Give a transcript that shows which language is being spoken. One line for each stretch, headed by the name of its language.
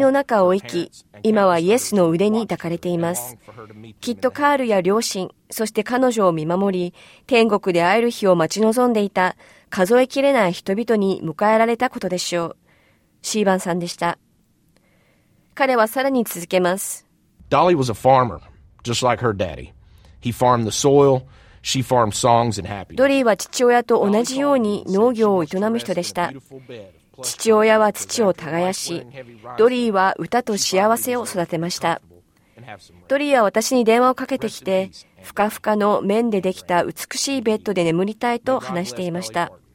Japanese: の中を生き、今はイエスの腕に抱かれています。きっとカールや両親、そして彼女を見守り、天国で会える日を待ち望んでいた、数えきれない人々に迎えられたことでしょう。シーバンさんでした。彼はさらに続けます。ドリーは一般人、
English: just like her daddy. He farmed the soil, she farmed songs and happiness.
Japanese: ドリーは父親と同じように農業を営む人でした。父親は土を耕し、ドリーは歌と幸せを育てました。ドリーは私に電話をかけてきて、ふかふかの綿でできた美しいベッドで眠りたいと話していました。